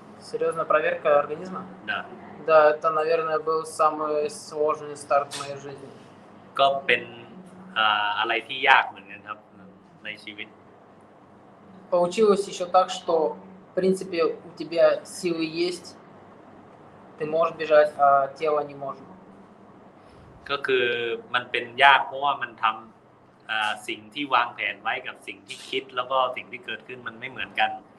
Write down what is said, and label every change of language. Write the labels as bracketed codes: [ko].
[ru] Серьёзная проверка организма? Да. Да, это, наверное, был самый сложный старт в моей жизни. [th] ก็เป็นอะไรที่ยากเหมือนกันครับในชีวิต [ru] Получилось ещё так, что в принципе у тебя силы есть. Ты можешь бежать, а тело не может. [th] ก็คือมันเป็นยากเพราะว่ามันทําสิ่งที่วางแผนไว้กับสิ่งที่คิดแล้วก็สิ่งที่เกิดขึ้นมันไม่เหมือนกัน